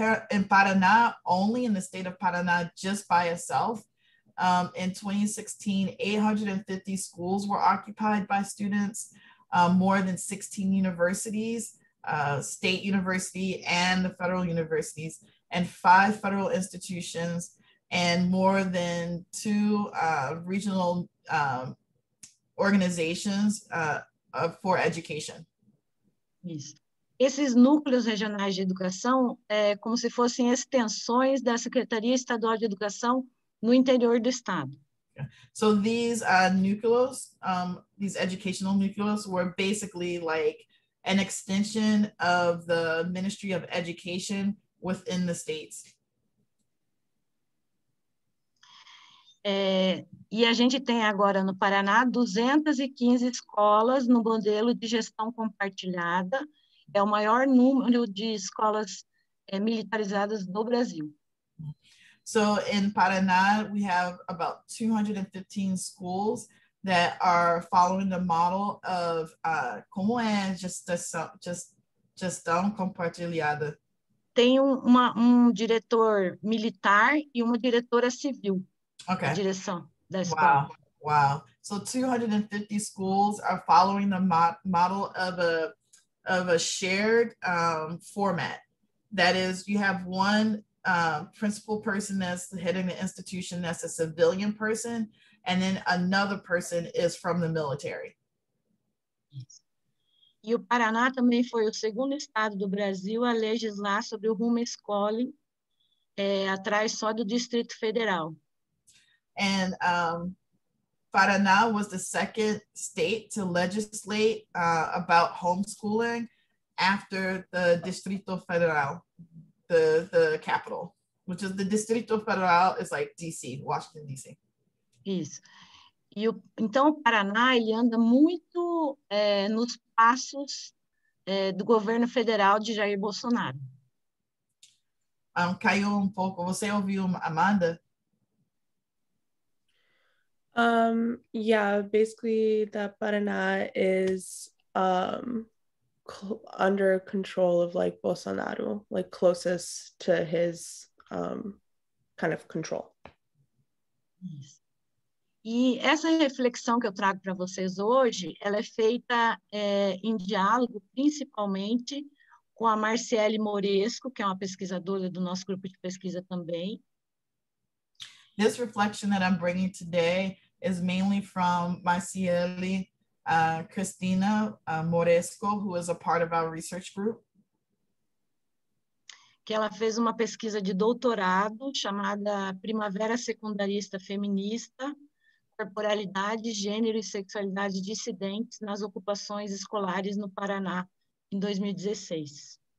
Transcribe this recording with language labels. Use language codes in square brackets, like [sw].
[en] In Paraná, only in the state of Paraná, just by itself, in 2016, 850 schools were occupied by students, more than 16 universities, state university and the federal universities, and 5 federal institutions, and more than 2 regional organizations for education. [pt] Isso. Esses núcleos regionais de educação é como se fossem extensões da Secretaria Estadual de Educação no interior do estado. [en] Yeah. So these núcleos, these educational núcleos, were basically like an extension of the Ministry of Education within the states. [pt] É, e a gente tem agora no Paraná 215 escolas no modelo de gestão compartilhada. É o maior número de escolas militarizadas do Brasil. [en] So in Paraná, we have about 215 schools that are following the model of [pt] como é gestão compartilhada. Tem um diretor militar e uma diretora civil. [en] Okay. [pt] A direção da escola. [en] Wow. So 250 schools are following the model of a shared format. That is, you have one principal person that's heading the institution, that's a civilian person, and then another person is from the military. [pt] E o Paraná também foi o segundo estado do Brasil a legislar sobre o homeschooling, atrás só do Distrito Federal. [en] And Paraná was the second state to legislate about homeschooling after the Distrito Federal, the capital, which is the Distrito Federal is like DC, Washington DC. [pt] Isso. E o, então, o Paraná, ele anda muito nos passos do governo federal de Jair Bolsonaro. Caiu um pouco. Você ouviu, Amanda? [en] Yeah, basically that Paraná is under control of like Bolsonaro, like closest to his kind of control. [pt] E essa reflexão que eu trago para vocês hoje, ela é feita em diálogo principalmente com a Marciele Moresco, que é uma pesquisadora do nosso grupo de pesquisa também. [en] This reflection that I'm bringing today is mainly from Marciele Cristina Moresco, who is a part of our research group. [pt] que ela fez uma pesquisa de doutorado chamada Primavera Secundarista Feminista, Corporalidade, Gênero e Sexualidade Dissidentes nas Ocupações Escolares no Paraná, em 2016.